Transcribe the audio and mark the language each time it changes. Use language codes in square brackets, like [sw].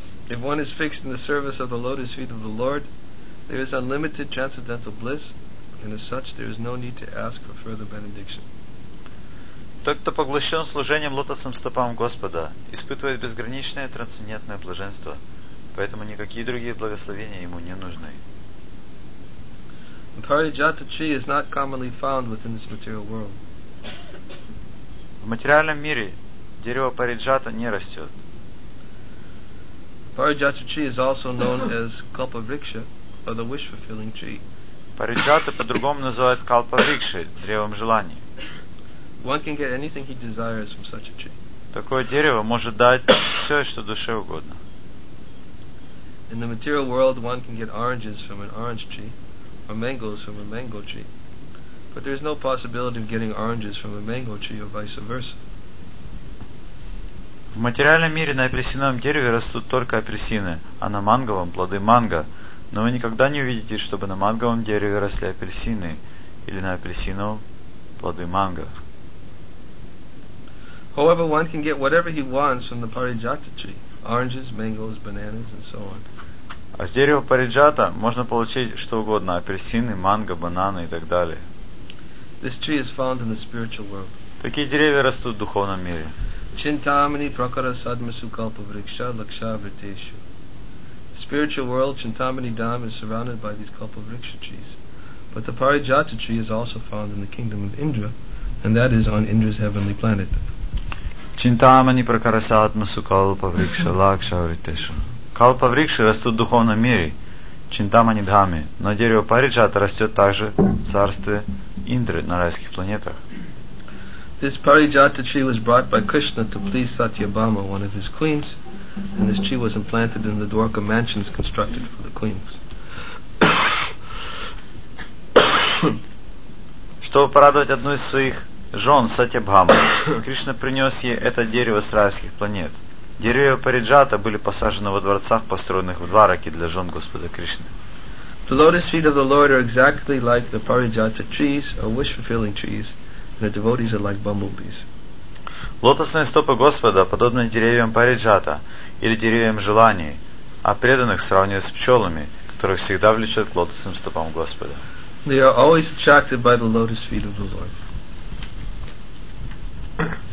[en] If one is fixed in the service of the lotus feet of the Lord, there is unlimited transcendental bliss, and as such, there is no need to ask for further benediction. [ru] Тот, кто поглощен служением лотосным стопам Господа, испытывает безграничное трансцендентное блаженство, поэтому никакие другие благословения ему не нужны. [en] The Parijata tree is not commonly found within this material world. [ru] В материальном мире дерево Париджата не растет. [en] Parijata tree is also known as Kalpavriksha, or the wish-fulfilling tree. [ru] Париджата по-другому называют Kalpavriksha, древом желаний. [en] One can get anything he desires from such a tree. [ru] Такое дерево может дать все, что душе угодно. [en] In the material world, one can get oranges from an orange tree, or mangoes from a mango tree. But there is no possibility of getting oranges from a mango tree or vice versa. [ru] В материальном мире на апельсиновом дереве растут только апельсины, а на манговом плоды манго. Но вы никогда не увидите, чтобы на манговом дереве росли апельсины или на апельсиновом плоды манго. [en] However, one can get whatever he wants from the Parijata tree: oranges, mangoes, bananas, and so on. [ru] А с дерева Париджата можно получить что угодно: апельсины, манго, бананы и так далее. [en] This tree is found in the spiritual world. [ru] Такие деревья растут в духовном мире. [sa] Чинтамани пракара садмасу калпавриксха лакшавритешу. [en] Spiritual world, Chintamani Dham is surrounded by these kalpavriksha trees. But the Parijata tree is also found in the kingdom of Indra, and that is on Indra's heavenly planet. [sa] Чинтамани пракара садмасу калпавриксха лакшавритешу. [ru] Калпавриксха растут в духовном мире, Чинтамани Дхаме, но дерево Париджата растет также в царстве Индры на райских планетах. [en] This Parijata tree was brought by Krishna to please Satyabhama, one of his queens, and this tree was implanted in the Dwarka mansions constructed for the queens. [ru] Чтобы порадовать одну из своих жен, Сатьябхаму, Кришна принес ей это дерево с райских планет. Деревья Париджата были посажены во дворцах, построенных в Двараке для жен Господа Кришны. [en] The lotus feet of the Lord are exactly like the Parijata trees, or wish-fulfilling trees, and the devotees are like bumblebees. [ru] Лотосные стопы Господа подобны деревьям Париджата или деревьям желаний, а преданных сравнивают с пчелами, которые всегда влечет к лотосным стопам Господа. [en] They are always attracted by the lotus feet of the Lord.